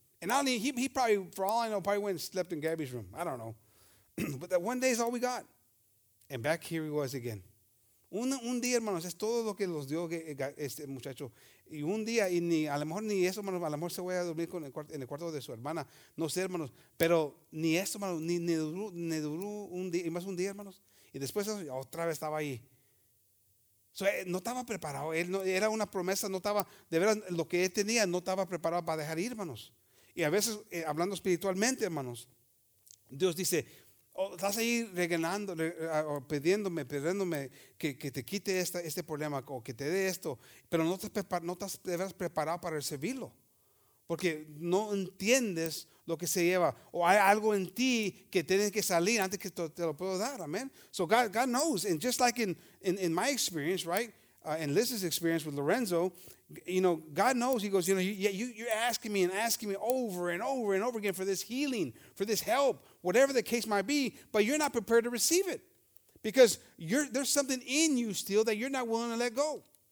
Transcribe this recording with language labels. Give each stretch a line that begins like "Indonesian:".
English: And I don't even, he probably, for all I know, probably went and slept in Gabby's room. I don't know. But that one day is all we got. And back here he was again.
Spanish: Un día, hermanos, es todo lo que los dio este muchacho. Y un día, y ni, a lo mejor ni eso, hermanos, a lo mejor se voy a dormir con el cuarto, en el cuarto de su hermana. No sé, hermanos. Pero ni eso, hermanos, ni duró un día, y más un día, hermanos. Y después otra vez estaba ahí. So, no estaba preparado. Él no, era una promesa, no estaba, de verdad, lo que él tenía, no estaba preparado para dejar ir, hermanos. Y a veces, hablando espiritualmente, hermanos, Dios dice, oh, estás ahí regalando, pidiéndome que te quite este problema o que te dé esto, pero no estás de verdad preparado para recibirlo. Porque no entiendes lo que se lleva. O hay algo en ti que tienes que salir antes que te lo puedo dar, amen.
English: So God knows. And just like in my experience, right, in Liz's experience with Lorenzo, you know, God knows. He goes, you know, you're asking me over and over and over again for this healing, for this help, whatever the case might be, but you're not prepared to receive it. Because there's something in you still that you're not willing to let go.